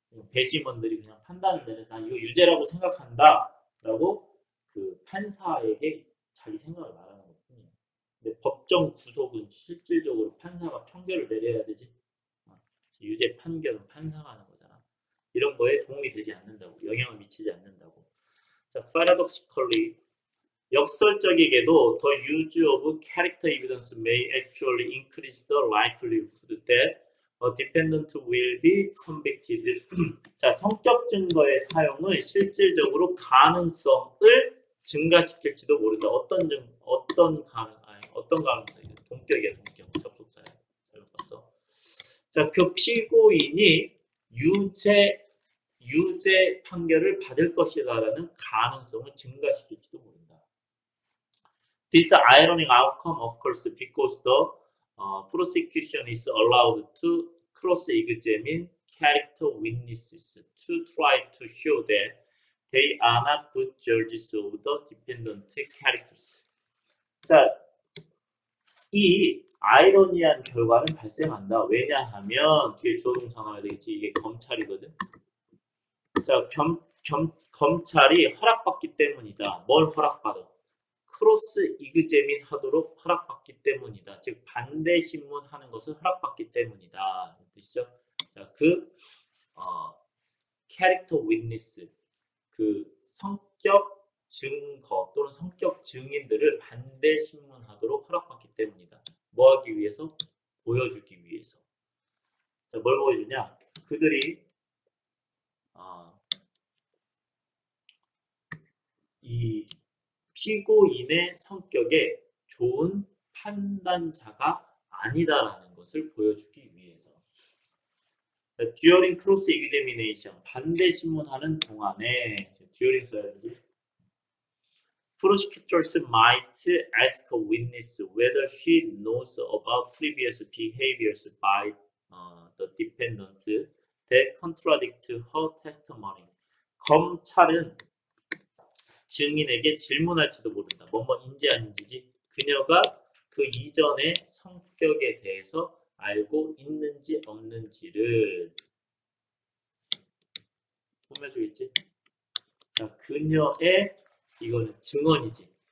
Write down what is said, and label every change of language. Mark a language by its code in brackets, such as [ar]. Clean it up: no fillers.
[ko] 배심원들이 그냥 판단을 내려, 난 이거 유죄라고 생각한다, 라고 그 판사에게 자기 생각을 말하는 거 뿐이야. 근데 법정 구속은 실질적으로 판사가 판결을 내려야 되지. 유죄 판결은 판사가 하는 거잖아. 이런 거에 도움이 되지 않는다고, 영향을 미치지 않는다고. [en] 자, paradoxically, [ko] 역설적이게도 [en] the use of character evidence may actually increase the likelihood that A defendant will be convicted. [ko] 자, 성격 증거의 사용은 실질적으로 가능성을 증가시킬지도 모른다. 어떤 가능성이냐? 동격이야, 동격. 접속사야. 잘못 봤어. 자, 그 피고인이 유죄 판결을 받을 것이다라는 가능성을 증가시킬지도 모른다. [en] This ironic outcome occurs because the prosecution is allowed to cross-examine character witnesses to try to show that they are not good judges of the dependent characters. [ko] 자, 이 아이러니한 결과는 발생한다. 왜냐하면 뒤에 주어 동사가 나와야 되겠지. 이게 검찰이거든. 자, 검찰이 허락받기 때문이다. 뭘 허락받아? 크로스-이그제민 하도록 허락받기 때문이다. 즉 반대신문 하는 것을 허락받기 때문이다. 뜻이죠? 자, 그 캐릭터 위니스, 그 성격 증거 또는 성격 증인들을 반대신문 하도록 허락받기 때문이다. 뭐 하기 위해서? 보여주기 위해서. 자, 뭘 보여주냐? 그들이 이 피고인의 성격에 좋은 판단자가 아니다라는 것을 보여주기 위해서. [en] During cross-examination, [ko] 반대심문하는 동안에, [en] during [ko] 써야지, [en] prosecutors might ask a witness whether she knows about previous behaviors by the defendant that contradict her testimony. [ko] 검찰은 증인에게 질문할지도 모른다. 뭐뭐 인지 아닌지지. 그녀가 그 이전의 성격에 대해서 알고 있는지 없는지를. 보여주겠지? 자, 그녀의, 이거는 증언이지.